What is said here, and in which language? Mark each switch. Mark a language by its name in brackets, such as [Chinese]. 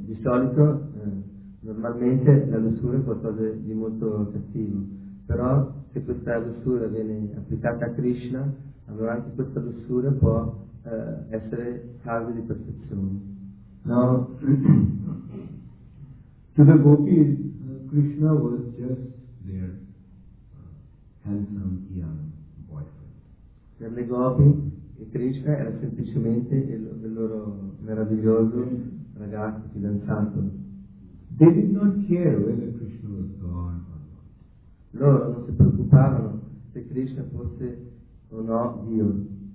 [Italian] Di solito, normalmente la lussura è qualcosa di molto cattivo, però se questa lussura viene applicata a Krishna, allora anche questa lussura può essere causa di perfezione. [English] Now, to the gopis, Krishna was just their handsome young boyfriend. [Italian] Per le gopi, Krishna era semplicemente il loro meraviglioso ragazzo fidanzato. [English] They did not care whether Krishna was gone or not. [Italian] Loro non si preoccupavano se Krishna fosse o no Dio.